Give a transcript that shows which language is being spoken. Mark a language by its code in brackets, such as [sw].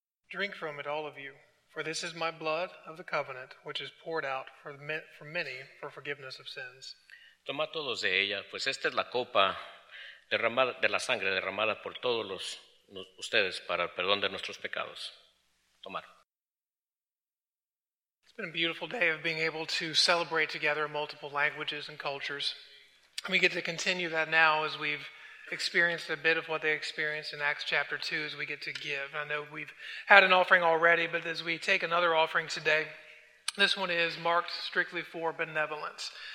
[en] Drink from it, all of you, for this is my blood of the covenant, which is poured out for many for forgiveness of sins. [es] Toma todos de ella, pues esta es la copa derramada, de la sangre derramada por todos los ustedes para el perdón de nuestros pecados. Tomar. [en] It's been a beautiful day of being able to celebrate together in multiple languages and cultures. And we get to continue that now as we've experienced a bit of what they experienced in Acts chapter 2 as we get to give. I know we've had an offering already, but as we take another offering today, this one is marked strictly for benevolence.